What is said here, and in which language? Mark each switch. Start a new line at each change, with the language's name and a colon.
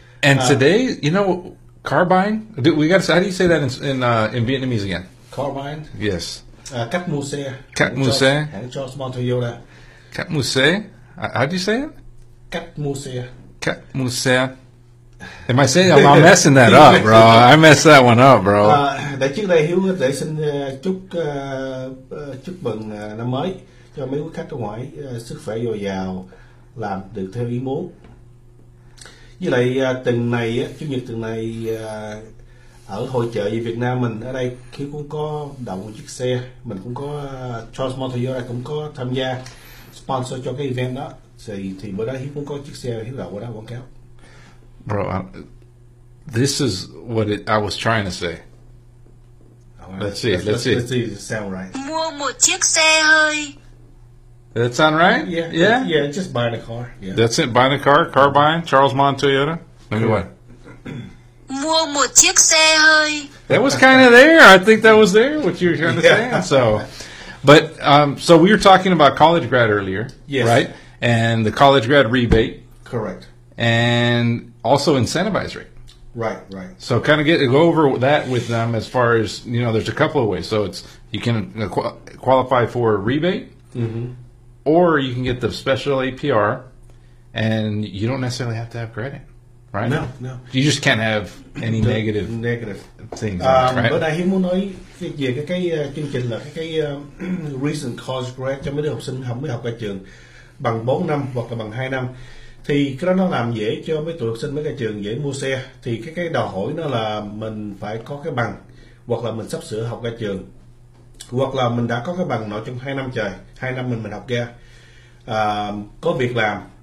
English: And today, you know, carbine? Dude, we got. How do you say that in Vietnamese again? Carbine? Yes. Cap Muse. Cap Muse. Charles Montoyota. Cap Muse. How do you say it? Cap Muse. Cap Muse. Am I saying I'm messing that up, bro? I messed that one up, bro.
Vietnamese: Để trước đây Hiếu để xin chúc chúc mừng năm mới cho mấy quý khách ở ngoài sức khỏe dồi dào, làm được theo ý muốn. Với lại tuần này chủ nhật tuần này ở hội chợ Việt Nam mình ở đây, Hiếu cũng có đậu một chiếc xe, mình cũng có Charles Montoya cũng có tham gia sponsor cho cái event đó, thì bữa đó Hiếu cũng có chiếc xe Hiếu đậu ở đó quảng cáo.
English: Bro, this is what I was trying to say. Let's see.
Vietnamese: Mua một chiếc xe hơi.
English: That sound right? Yeah. Yeah, just buy the car. Yeah. That's it, buy the car, carbine, Charles Montoyota. Let me what?
Vietnamese: Mua một chiếc xe hơi.
English: That was kind of there. I think that was there, what you were trying to say. So, but so we were talking about college grad earlier, yes, right? And the college grad rebate. Correct. And also incentivize rate. Right, right. So kind of get go over that with them as far as, you know, there's a couple of ways. So it's, you can qualify for a rebate, mm-hmm, or you can get the special APR, and you don't necessarily have to have credit, right? No, no. You just can't have any negative, negative things, right?
Vietnamese: Bữa nay muốn nói về cái chương trình là cái recent college grad cho mấy đứa học sinh không mới học ra trường bằng 4 năm hoặc là bằng 2 năm. Thì cái đó nó làm dễ cho mấy tụi học sinh mấy cái trường dễ mua xe. Thì cái đòi hỏi nó là mình phải có cái bằng, hoặc là mình sắp sửa học ra trường, hoặc là mình đã có cái bằng nội trong 2 năm trời, 2 năm mình học ra, có việc làm.